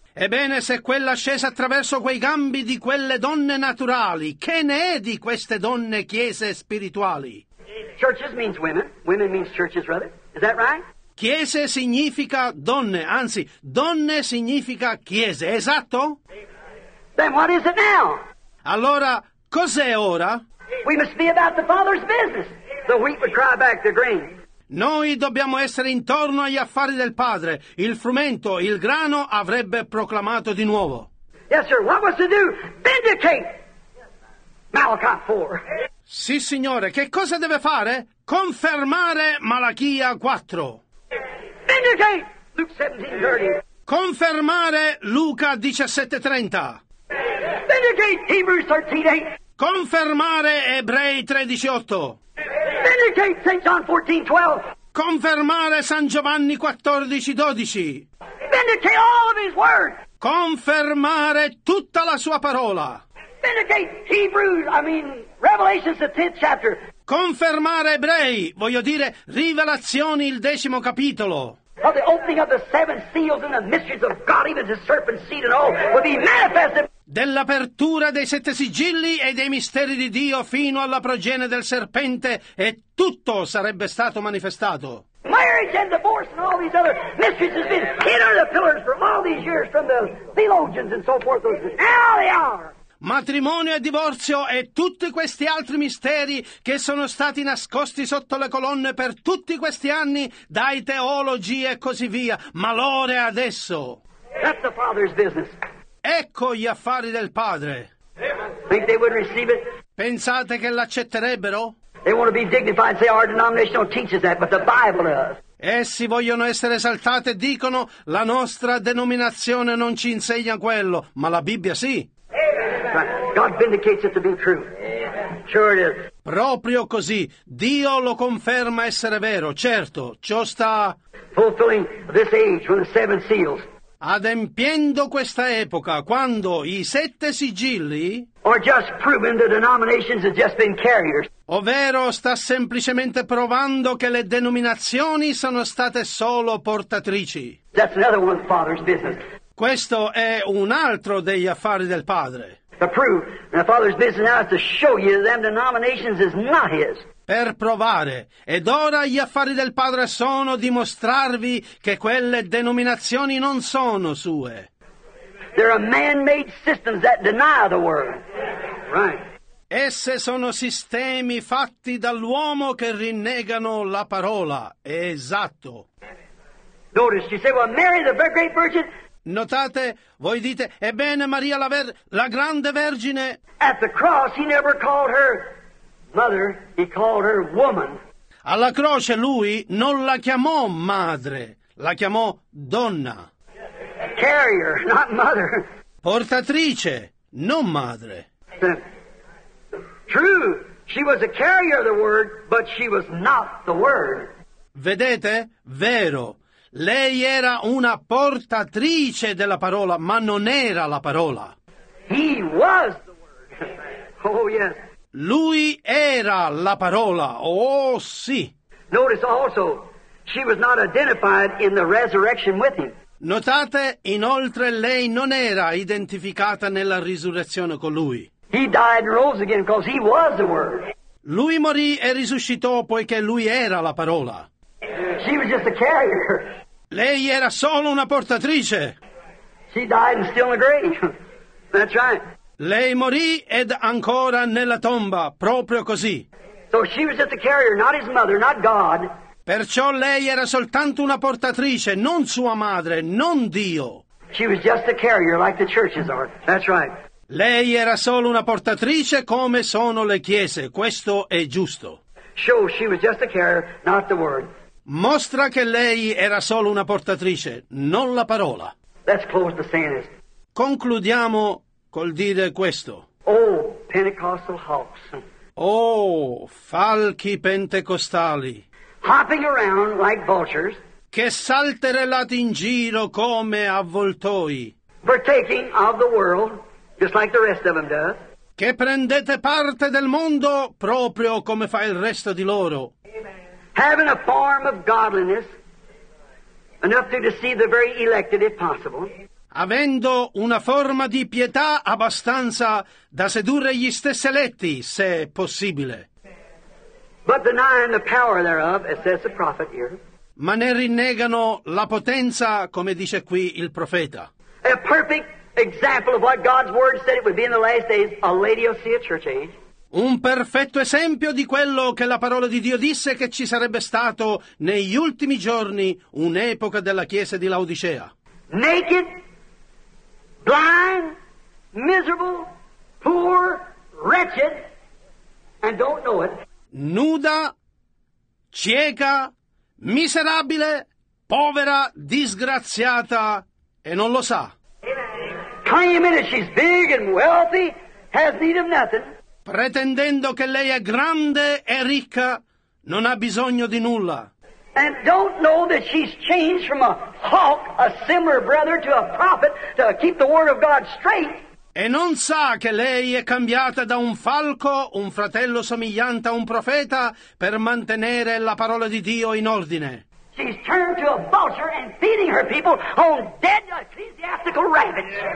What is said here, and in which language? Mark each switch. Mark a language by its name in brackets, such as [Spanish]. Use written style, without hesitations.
[Italian] Ebbene, se quella scesa attraverso quei gambi di quelle donne naturali, che ne è di queste donne chiese spirituali? [English] Churches means women. Women means churches, rather. Is that right? [Italian] Chiese significa donne, anzi, donne significa chiese, esatto? [English] Then what is it now? [Italian] Allora, cos'è ora? [English] We must be about the Father's business. The wheat would cry back the grain. [Italian] Noi dobbiamo essere intorno agli affari del Padre. Il frumento, il grano, avrebbe proclamato di nuovo. [English] Yes, sir. What was to do? Vindicate! Malachi 4. [Italian] Sì, signore. Che cosa deve fare? Confermare Malachia 4. [English] Vindicate! Luke 17:30. [Italian] Confermare Luca 17:30. [English] Vindicate! Hebrews 13:8. [Italian] Confermare Ebrei 13:8. [English] Vindicate St. John 14:12. [Italian] Confermare San Giovanni 14:12. [English] Vindicate all of his word. [Italian] Confermare tutta la sua parola. [English] Vindicate Revelations, the 10th chapter. [Italian] Confermare Ebrei, voglio dire Rivelazioni, il decimo capitolo. [English] Of the opening of the seven seals and the mysteries of God, even the serpent seed and all, will be manifested. [Italian] Dell'apertura dei sette sigilli e dei misteri di Dio fino alla progenie del serpente, e tutto sarebbe stato manifestato. [English] Marriage and divorce and all these other mysteries has been hid under the pillars from all these years from the theologians and so forth. Now they are. [Italian] Matrimonio e divorzio e tutti questi altri misteri che sono stati nascosti sotto le colonne per tutti questi anni dai teologi e così via. Ma l'ora è adesso. [English] That's the Father's business. [Italian] Ecco gli affari del Padre. [English] Think they would receive it? [Italian] Pensate che l'accetterebbero? [English] They want to be dignified and say our denomination don't teach us that, but the Bible does. [Italian] Essi vogliono essere esaltati e dicono la nostra denominazione non ci insegna quello, ma la Bibbia sì. [English] God vindicates it to be true. Sure it is. [Italian] Proprio così. Dio lo conferma essere vero. Certo, ciò sta [English] fulfilling this age with the seven seals. [Italian] Adempiendo questa epoca, quando i sette sigilli, [English] or just proving the denominations have just been carriers. [Italian] Ovvero sta semplicemente provando che le denominazioni sono state solo portatrici. [English] That's another one of the Father's business. [Italian] Questo è un altro degli affari del Padre. [English] To prove, and the Father's business now is to show you that them denominations is not his. [Italian] Per provare, ed ora gli affari del Padre sono dimostrarvi che quelle denominazioni non sono sue. [English] There are man-made systems that deny the word. Right. [Italian] Esse sono sistemi fatti dall'uomo che rinnegano la parola. Esatto. [English] Notice, you say, well, Mary, the very great virgin. [Italian] Notate, voi dite, ebbene Maria la grande vergine. [English] At the cross he never called her mother, he called her woman. [Italian] Alla croce lui non la chiamò madre, la chiamò donna. [English] Carrier, not mother. [Italian] Portatrice, non madre. [English] True, she was a carrier of the word, but she was not the word. [Italian] Vedete, vero. Lei era una portatrice della parola, ma non era la parola. [English] He was the word. Oh, yes. [Italian] Lui era la parola. Oh, sì. [English] Notice also, she was not identified in the resurrection with him. [Italian] Notate, inoltre, lei non era identificata nella risurrezione con lui. [English] He died and rose again because he was the word. [Italian] Lui morì e risuscitò poiché lui era la parola. [English] She was just a carrier. [Italian] Lei era solo una portatrice. [English] She died and still in the grave. That's right. [Italian] Lei morì ed ancora nella tomba, proprio così. [English] So she was just a carrier, not his mother, not God. [Italian] Perciò lei era soltanto una portatrice, non sua madre, non Dio. [English] She was just a carrier like the churches are. That's right. [Italian] Lei era solo una portatrice come sono le chiese, questo è giusto. [English] Show she was just a carrier, not the word. [Italian] Mostra che lei era solo una portatrice, non la parola. [English] Let's close the sentence. [Italian] Concludiamo col dire questo. [English] Oh, Pentecostal hawks. [Italian] Oh, falchi pentecostali. [English] Hopping around like vultures. [Italian] Che salterellate in giro come avvoltoi. [English] Partaking of the world. Just like the rest of them do. [Italian] Che prendete parte del mondo proprio come fa il resto di loro. [English] Amen. Having a form of godliness enough to deceive the very elected if possible. [Italian] Avendo una forma di pietà abbastanza da sedurre gli stessi eletti, se possibile. [English] But denying the power thereof, as says the prophet here. [Italian] Ma ne rinnegano la potenza, come dice qui il profeta. [English] A perfect example of what God's word said it would be in the last days, a Laodicea church age. [Italian] Un perfetto esempio di quello che la parola di Dio disse che ci sarebbe stato negli ultimi giorni, un'epoca della chiesa di Laodicea. [English] Naked, blind, miserable, poor, wretched, and don't know it. [Italian] Nuda, cieca, miserabile, povera, disgraziata, e non lo sa. [English] Claiming that she's big and wealthy, has need of nothing. [Italian] Pretendendo che lei è grande e ricca, non ha bisogno di nulla. [English] And don't know that she's changed from a hawk, a similar brother, to a prophet to keep the word of God straight. [Italian] E non sa che lei è cambiata da un falco, un fratello somigliante a un profeta, per mantenere la parola di Dio in ordine. [English] She's turned to a vulture and feeding her people on dead ecclesiastical rabbits.